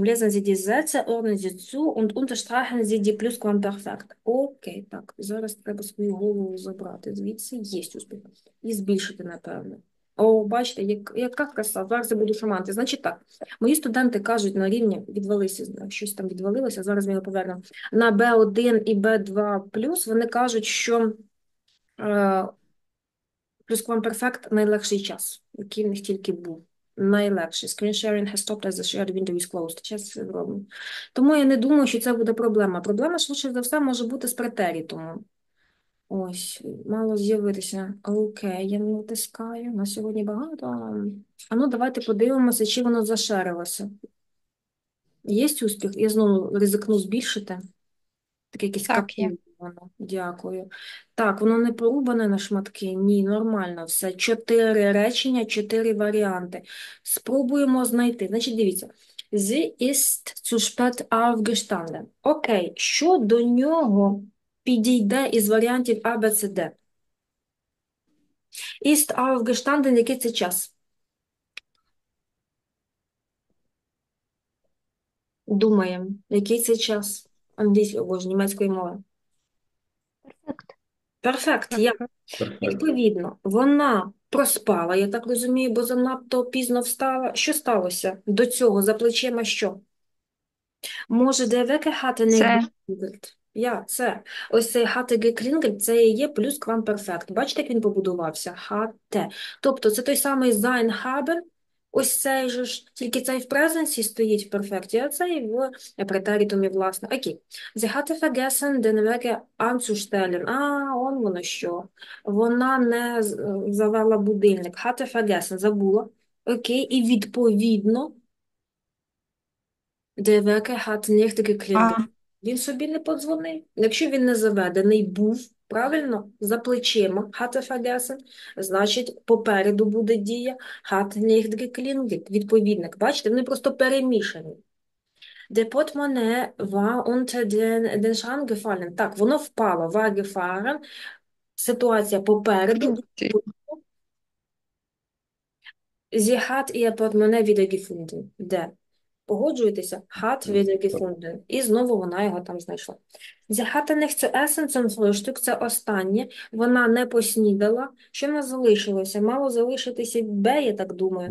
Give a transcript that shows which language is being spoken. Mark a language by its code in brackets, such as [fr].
[de] Lesen Sie die Sätze, ordnen Sie zu und unterstreichen Sie die Plusquamperfekt. [uk] Окей, так. Зараз треба свою голову забрати звідси. Є успіх. І збільшити, напевно. О, бачите, яка краса, зараз я буду шаманти. Значить так, мої студенти кажуть на рівні, відвалися, щось там відвалилося, зараз ми його повернемо. На B1 і B2+, вони кажуть, що плюсквамперфект – найлегший час, який в них тільки був. Найлегший. [en] Screen sharing has stopped as the shared window is closed. [uk] Час це зробимо. Тому я не думаю, що це буде проблема. Проблема, швидше за все, може бути з претерітумом. Ось, мало з'явитися. Окей, я не натискаю. На сьогодні багато. Ану, давайте подивимося, чи воно зашарилося. Є успіх? Я знову ризикну збільшити. Таке якесь Так, є. капу воно. Дякую. Так, воно не порубане на шматки. Ні, нормально все. Чотири речення, чотири варіанти. Спробуємо знайти. Значить, дивіться. [de] Sie ist zu spät aufgestanden. [uk] Окей, що до нього підійде із варіантів А, Б, С, Д. Іст aufgestanden, який це час? Думаємо, який це час? Англійської, боже, німецької мови. Перфект, я. Перфект. Перфект. Відповідно, вона проспала, я так розумію, бо занадто пізно встала. Що сталося до цього? За плечима що? Може, де викихати не Це. бігать? Я це. Ось цей hatte geklingelt, це і є плюс квамперфект. Бачите, як він побудувався? Hatte. Тобто це той самий sein haben. Ось цей же ж, тільки цей в презенсі стоїть в перфекті, а цей в претеритумі, власне. Окей. [de] Sie hatte vergessen, den Wecker anzustellen. [uk] А, он воно що. Вона не завела будильник. [de] Hatte vergessen, забула. Окей, і відповідно, der Wecker hat nicht geklingelt. [uk] А. Він собі не подзвонив. Якщо він не заведений був, правильно, за плечима, hatte vergessen, значить, попереду буде дія, hat nicht geklingelt, відповідник. Бачите, вони просто перемішані. [de] Der Portemonnaie war unter den Schrank gefallen. [uk] Так, воно впало, war gefahren. Ситуація попереду. [de] Sie hat ihr Portemonnaie wieder gefunden. [uk] Де? Погоджуєтеся? Hat wieder gefunden. І знову вона його там знайшла. [de] Sie hatte nicht zu essen zum Frühstück. [uk] Це останнє. Вона не поснідала. Що в нас залишилося? Мало залишитися Б, я так думаю.